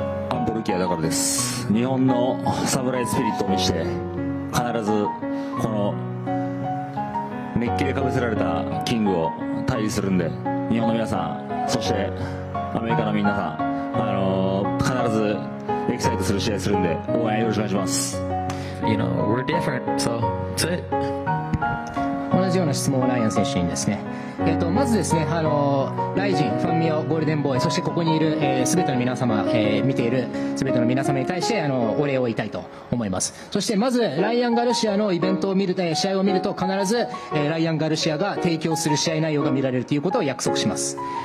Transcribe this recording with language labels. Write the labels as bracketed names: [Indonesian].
[Japanese] アンポルキアだからです。日本のサムライスピリットを見せて、必ずこの熱気でかぶせられたキングを退治するんで、日本の皆さん、そしてアメリカの皆さん、必ずエキサイトする試合するんで、応援よろしくお願いします。 [English] You know, we're different, so that's it。 [Japanese] 同じような質問をライアン選手にですね、まずですね、ライジン、ファンミオ、ゴールデンボーイ、そしてここにいる、全ての皆様、見ている全ての皆様に対して、お礼を言いたいと思います。そしてまずライアン・ガルシアのイベントを見る、試合を見ると必ず、ライアン・ガルシアが提供する試合内容が見られるということを約束します。